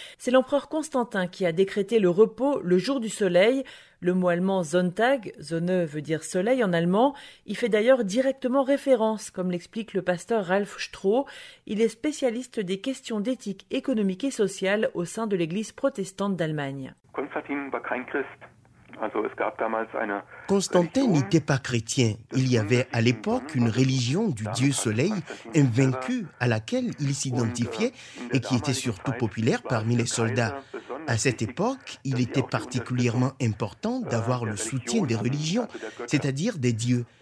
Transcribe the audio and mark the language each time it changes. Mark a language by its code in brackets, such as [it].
[fr] C'est l'empereur Constantin qui a décrété le repos le jour du soleil. Le mot allemand Sonntag, Sonne veut dire soleil en allemand, y fait d'ailleurs directement référence, comme l'explique le pasteur Ralf Stroh. Il est spécialiste des questions d'éthique économique et sociale au sein de l'Église protestante d'Allemagne. [de] Constantin war kein Christ. [fr] Constantin n'était pas chrétien. Il y avait à l'époque une religion du dieu soleil invaincu à laquelle il s'identifiait et qui était surtout populaire parmi les soldats. À cette époque, il était particulièrement important d'avoir le soutien des religions, c'est-à-dire des dieux.